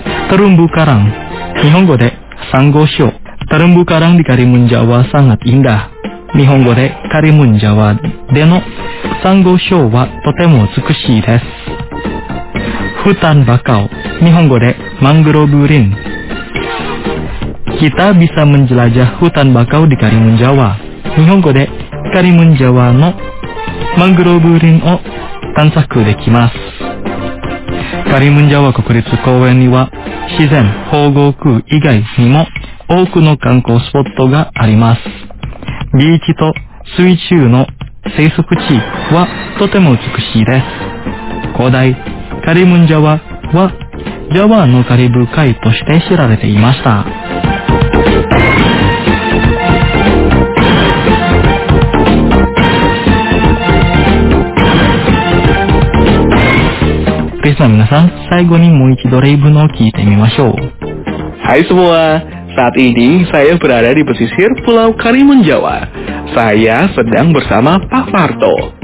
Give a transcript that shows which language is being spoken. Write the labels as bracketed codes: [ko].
[ja] タルンブカラン、日本語でサンゴ礁。タルンブカランでカリムンジャワサンガインダ、日本語でカリムンジャワでのサンゴ礁はとても美しいです。フタンバカオ、日本語でマングローブ林。 [id] Kita bisa menjelajah hutan bakau di Karimun Jawa. [ja] 日本語でカリムンジャワのマングローブ林を探索できます。カリムンジャワ国立公園には自然保護区以外にも多くの観光スポットがあります。ビーチと水中の生息地はとても美しいです。広大カリムンジャワはジャワのカリブ海として知られていました。リの皆さん、最後にもう一度例文を聞いてみましょう。 [id] Hai semua, saat ini saya berada di pesisir Pulau Karimun Jawa. Saya sedang bersama Pak Marto.